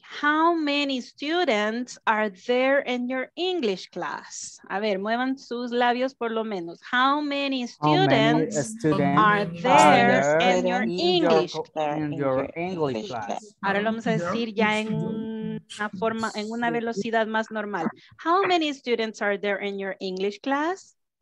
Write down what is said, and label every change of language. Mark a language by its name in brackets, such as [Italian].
[English] How many students are there in your English class? [Spanish] A ver, muevan sus labios por lo menos. [English] How many students, are there in your English class? [Spanish] Ahora lo vamos a decir ya en una forma, en una velocidad más normal. [English] How many students are there in your English class?